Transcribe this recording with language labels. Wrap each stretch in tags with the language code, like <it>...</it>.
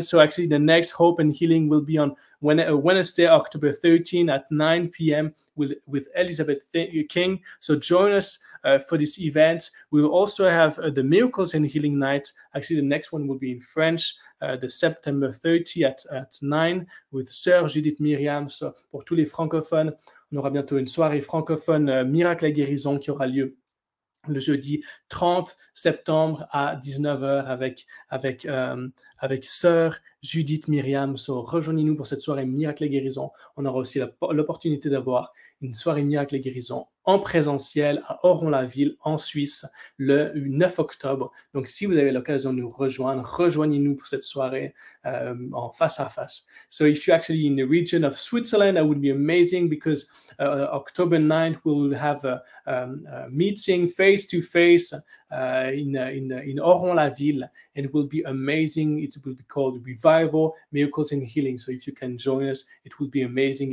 <en>So actually the next Hope and Healing will be on Wednesday, October 13 at 9 p.m. with Elizabeth King. So join us for this event. We'll also have the Miracles and Healing Night. Actually the next one will be in French, the September 30 at 9 with Sœur Judith Myriam.</en> <fr>So pour tous les francophones, on aura bientôt une soirée francophone Miracle et Guérison qui aura lieu le jeudi 30 septembre à 19h avec Sœur Judith Myriam. So rejoignez-nous pour cette soirée Miracle et Guérison. On aura aussi l'opportunité d'avoir une soirée Miracle et Guérison en présentiel à Oron-la-Ville en Suisse le 9 octobre. Donc si vous avez l'occasion de nous rejoindre, rejoignez-nous pour cette soirée en face à face.</fr> <en>So if you're actually in the region of Switzerland, that would be amazing because October 9th we'll have a meeting face to face in Oron-la-Ville, and it will be amazing. It will be called Revival, Miracles and Healing. So if you can join us, it will be amazing.</en>